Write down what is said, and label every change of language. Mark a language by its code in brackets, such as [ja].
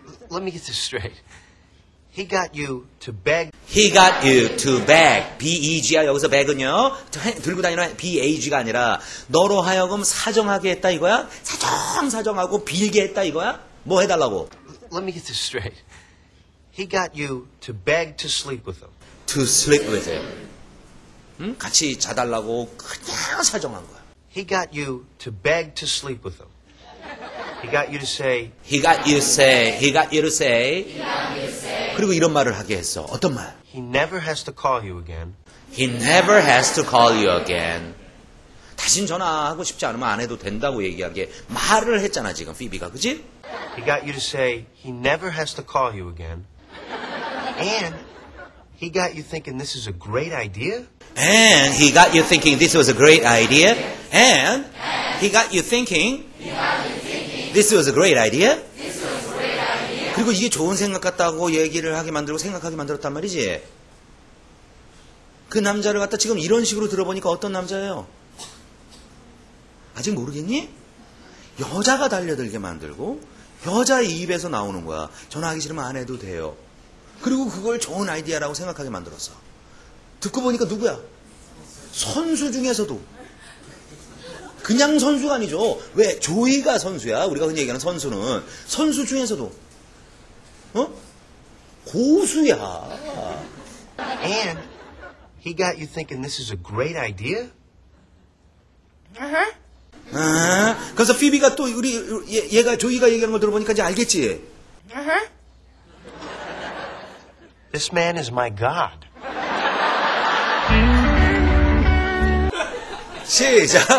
[en] Let me get this straight. He got you to beg. He got you to beg. [ko] B-E-G야 여기서 beg은요. 들고 다니는 B-A-G가 아니라 너로 하여금 사정하게 했다 이거야? 사정하고 빌게 했다 이거야? 뭐 해달라고? [en] Let me get this straight. He got you to beg to sleep with him. To sleep with him. [ko] 같이 자달라고 그냥 사정한 거야. [en] He got you to beg to sleep with him. He got you to say. He got you to say. He got you to say. He got you to say. [ko] 그리고 이런 말을 하게 했어. 어떤 말? [en] He never has to call you again. He never has to call you again. [ko] 다신 전화하고 싶지 않으면 안 해도 된다고 얘기한 게 말을 했잖아 지금 피비가 그지? [en] He got you to say he never has to call you again. And he got you thinking this is a great idea. And he got you thinking this was a great idea. And he got you thinking this was a great idea. [ko] 그리고 이게 좋은 생각 같다고 얘기를 하게 만들고 생각하게 만들었단 말이지. 그 남자를 갖다 지금 이런 식으로 들어보니까 어떤 남자예요? 아직 모르겠니? 여자가 달려들게 만들고 여자의 입에서 나오는 거야. 전화하기 싫으면 안 해도 돼요. 그리고 그걸 좋은 아이디어라고 생각하게 만들었어. 듣고 보니까 누구야? 선수 중에서도. 그냥 선수가 아니죠. 왜? 조이가 선수야. 우리가 흔히 얘기하는 선수는. 선수 중에서도. 어? 고수야. [en] And he got you thinking this is a great idea? Uh-huh. [ko] 아, 그래서 피비가 또 우리 얘가 조이가 얘기하는 걸 들어보니까 이제 알겠지. [en] This man is my God. [ko] 시작.